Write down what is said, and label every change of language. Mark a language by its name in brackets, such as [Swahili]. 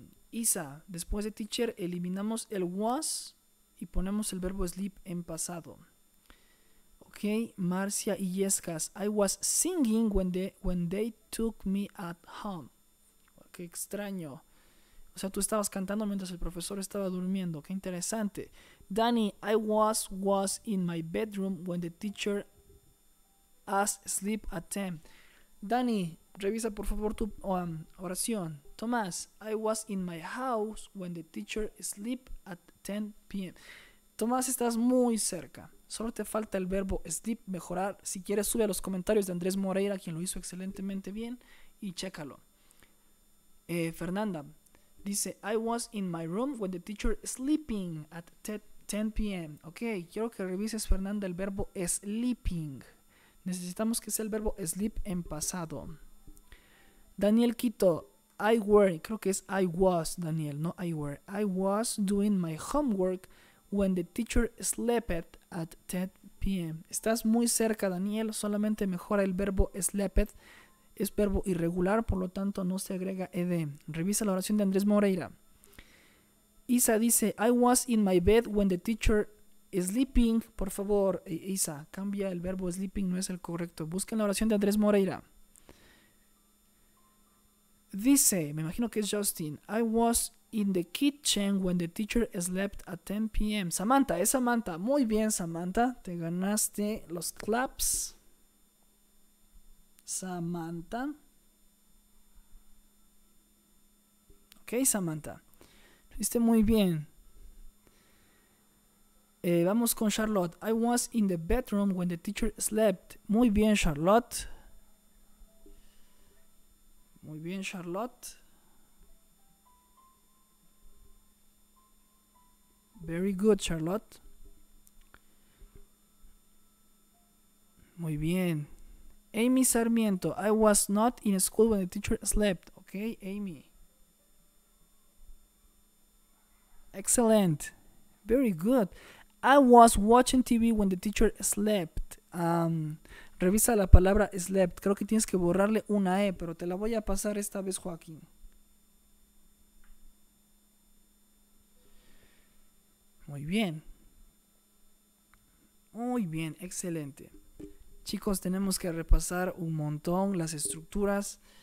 [Spanish] Isa, después de teacher eliminamos el was y ponemos el verbo sleep en pasado. [English] Ok, Marcia y Yescas, I was singing when they took me at home. [Spanish] Qué extraño. O sea, tú estabas cantando mientras el profesor estaba durmiendo. Qué interesante. [English] Danny, I was in my bedroom when the teacher asked sleep at 10. [Spanish] Danny, revisa por favor tu oración. [English] Tomás, I was in my house when the teacher sleep at 10 p.m. [Spanish] Tomás, estás muy cerca. Solo te falta el verbo sleep mejorar. Si quieres, sube a los comentarios de Andrés Moreira, quien lo hizo excelentemente bien, y chécalo. [English] Fernanda [Spanish] dice, [English] I was in my room when the teacher sleeping at 10 p.m. [Spanish] Ok, quiero que revises, Fernanda, el verbo sleeping. Necesitamos que sea el verbo sleep en pasado. [English] Daniel Quito, I were, [Spanish] creo que es [English] I was, Daniel, no I were. I was doing my homework when the teacher slept at 10 p.m. [Spanish] Estás muy cerca, Daniel, solamente mejora el verbo slept. Es verbo irregular, por lo tanto no se agrega ed. Revisa la oración de Andrés Moreira. [English] Isa [Spanish] dice, [English] I was in my bed when the teacher sleeping. [Spanish] Por favor, Isa, cambia el verbo sleeping, no es el correcto. Busca la oración de Andrés Moreira. Dice, me imagino que es [English] Justin, I was in the kitchen when the teacher slept at 10 p.m. [Spanish] Samantha, es Samantha. Muy bien, Samantha, te ganaste los claps. Samantha. Ok, Samantha. Lo hiciste muy bien. Vamos con Charlotte. [English] I was in the bedroom when the teacher slept. [Spanish] Muy bien, Charlotte. Muy bien, Charlotte. [English] Very good, Charlotte. [Spanish] Muy bien. [English] Amy Sarmiento, I was not in school when the teacher slept. Ok, Amy. Excellent. Very good. I was watching TV when the teacher slept. [Spanish] Revisa la palabra slept. Creo que tienes que borrarle una E, pero te la voy a pasar esta vez, Joaquín. Muy bien. Muy bien, excelente. Chicos, tenemos que repasar un montón las estructuras.